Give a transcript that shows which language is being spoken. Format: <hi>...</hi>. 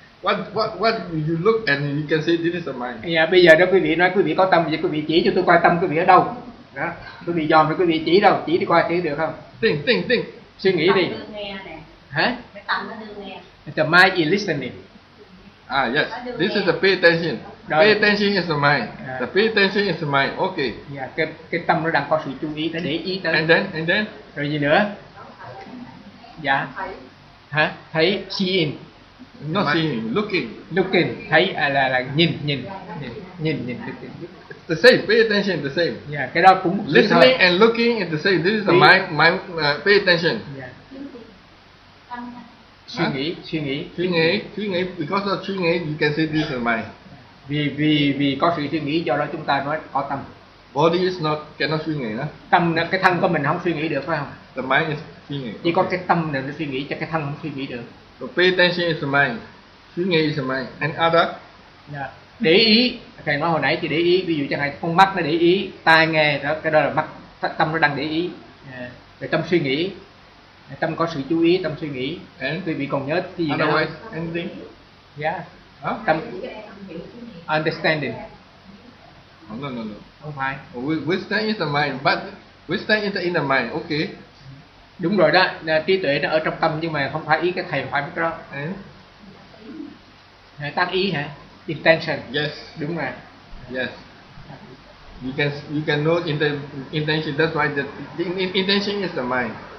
<en>What you look and you can say this is the mind.</en> <vi>Yeah, bây giờ đó quý vị nói quý vị có tâm thì quý vị chỉ cho tôi coi tâm quý vị ở đâu. Đó, quý vị dòm rồi quý vị chỉ đâu, chỉ đi qua chỉ được không? Tinh. Suy nghĩ đi. Nghe nè. Hả? Tâm nó đưa nghe.</vi> <en>The mind is listening. Ah yes, this is the pay attention. Pay attention is the mind. The pay attention is the mind, okay.</en> <vi>Yeah, cái tâm nó đang có sự chú ý, nó để ý tới.</vi> <en>And then?</en> <vi>Rồi gì nữa? Dạ. Thấy. Hả? Thấy,</vi> <en>see in. not seeing, looking.</en> <vi>Looking, thấy là nhìn.</vi> <en>It's the same, pay attention, the same.</en> <vi>Yeah, cái đó cũng</vi> <en>listening and looking is the same. This is the mind, pay attention. Yeah.</en> <vi>Suy nghĩ, suy nghĩ. Suy nghĩ, suy nghĩ,</vi> <en>because of suy nghĩ, you can say this is mind.</en> <vi>Vì có sự suy nghĩ, do đó chúng ta nói có tâm.</vi> <en>Body is not, cannot</en> <vi>suy nghĩ đó. Tâm, cái thân của mình không suy nghĩ được phải không?</vi> <en>The mind is</en> <vi>suy nghĩ. Chỉ có cái tâm này nó suy nghĩ, cho cái thân không suy nghĩ được.</vi> <en>So pay attention is the mind.</en> <vi>Suy nghĩ</vi> <en>is the mind. And other?</en> <vi>Yeah. Để ý. Thầy nói hồi nãy chỉ để ý, ví dụ chẳng hạn con mắt nó để ý, tai nghe, đó cái đó là mắt, tâm nó đang để ý. Yeah. Tâm suy nghĩ, tâm có sự chú ý, tâm suy nghĩ.</vi> <en>And</en> <vi>quý vị còn nhớ cái gì</vi> <en>đó? Otherwise, anything? Yeah. Huh? Tâm, understanding. Oh, no, no, no.</en> <vi>Không phải.</vi> <en>Wisdom is the mind, but wisdom is the inner mind, okay.</en> <vi>Đúng rồi đó, trí tuệ nó ở trong tâm nhưng mà không phải ý cái thầy phải biết đó.</vi> <en>And?</en> <vi>Tác ý hả? Intention.</vi> <en>Yes.</en> <vi>Đúng rồi.</vi> <en>Yes. You can know intention. That's why the intention is the mind.</en>